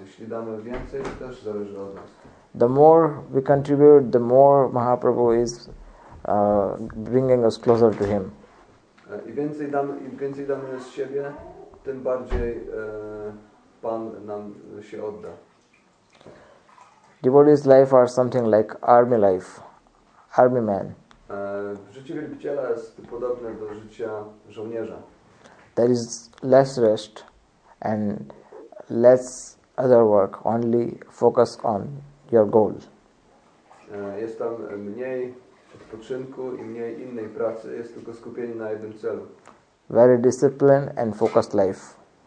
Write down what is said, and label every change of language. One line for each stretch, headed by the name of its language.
Polish: Jeśli damy więcej, to też zależy od nas.
English: The more we contribute, the more Mahaprabhu is bringing us closer to him.
Polish: Im więcej damy z siebie, tym bardziej Pan nam się odda.
English: Devotee's life are something like army life, army man.
Polish: Życie wielbiciela jest podobne do życia żołnierza.
English: There is less rest and less other work, only focus on your goal.
Polish: Jest tam mniej odpoczynku i mniej innej pracy, jest tylko skupienie na jednym celu.
English: Very disciplined and focused life.